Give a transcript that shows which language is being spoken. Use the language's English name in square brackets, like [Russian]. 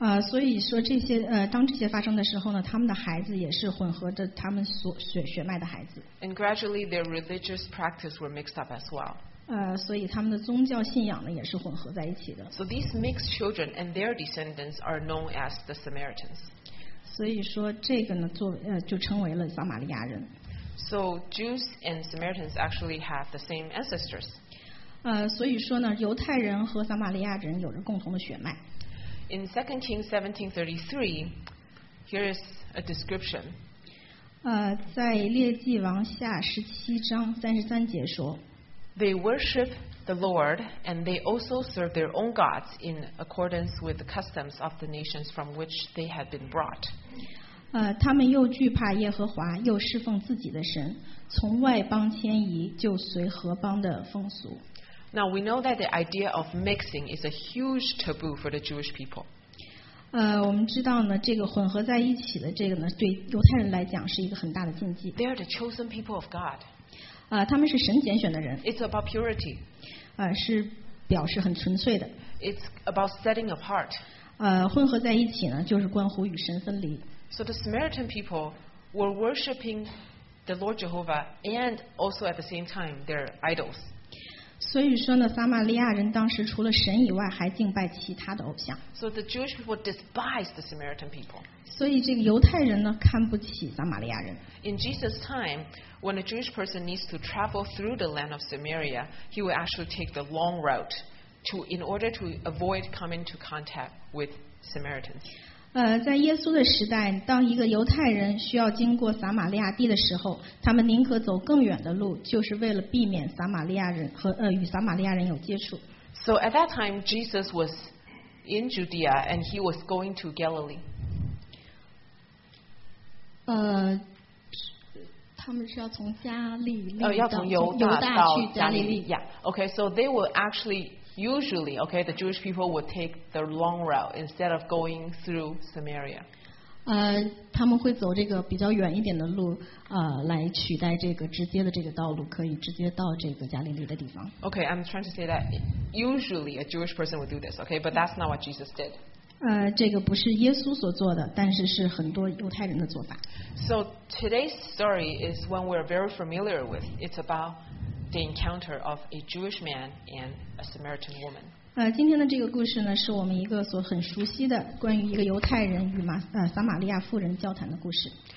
[Chinese] 所以说这些当这些发生的时候呢，他们的孩子也是混合着他们所血脉的孩子。 [English] And gradually their religious practice were mixed up as well. [Chinese] 所以他们的宗教信仰呢也是混合在一起的。 [English] So these mixed children and their descendants are known as the Samaritans. [Chinese] 所以说这个呢就成为了撒玛利亚人。 [English] So Jews and Samaritans actually have the same ancestors. [Chinese] 所以说呢，犹太人和撒玛利亚人有着共同的血脉。 [English] In 2 Kings 17:33, here is a description. [Chinese] 在列记王下十七章三十三节说 [English] ，They worship the Lord and they also serve their own gods in accordance with the customs of the nations from which they had been brought. [Chinese] 他们又惧怕耶和华，又侍奉自己的神，从外邦迁移，就随何邦的风俗。 [English] Now we know that the idea of mixing is a huge taboo for the Jewish people. [Chinese] 我们知道呢，这个混合在一起的这个呢，对犹太人来讲是一个很大的禁忌。 [English] They are the chosen people of God. [Chinese] 他们是神拣选的人。 [English] It's about purity. [Chinese] 是表示很纯粹的。 [English] It's about setting apart. [Chinese] 混合在一起呢，就是关乎与神分离。 [English] So the Samaritan people were worshiping the Lord Jehovah and also at the same time their idols. [Chinese] 所以说呢，撒玛利亚人当时除了神以外，还敬拜其他的偶像。 [English] So the Jewish people despised the Samaritan people. [Chinese] 所以这个犹太人呢，看不起撒玛利亚人。 [English] In Jesus' time, when a Jewish person needs to travel through the land of Samaria, he will actually take the long route to in order to avoid coming to contact with Samaritans. [Chinese] 在耶稣的时代，当一个犹太人需要经过撒玛利亚地的时候，他们宁可走更远的路，就是为了避免撒玛利亚人和与撒玛利亚人有接触。 [English] So at that time, Jesus was in Judea and he was going to Galilee. [Chinese] 他们是要从加利利要从犹大到加利 [English] 利。Yeah. Okay. So they were actually. Usually, okay, the Jewish people would take the long route instead of going through Samaria. [Chinese] 他们会走这个比较远一点的路，来取代这个直接的这个道路，可以直接到这个加利利的地方。 [English] Okay, I'm trying to say that usually a Jewish person would do this, okay, but that's not what Jesus did. [Chinese] 这个不是耶稣所做的，但是是很多犹太人的做法。 [English] So today's story is one we're very familiar with. It's aboutThe encounter of a Jewish man and a Samaritan woman. [Chinese] 今天的这个故事呢，是我们一个所很熟悉的关于一个犹太人与撒玛利亚妇人交谈的故事。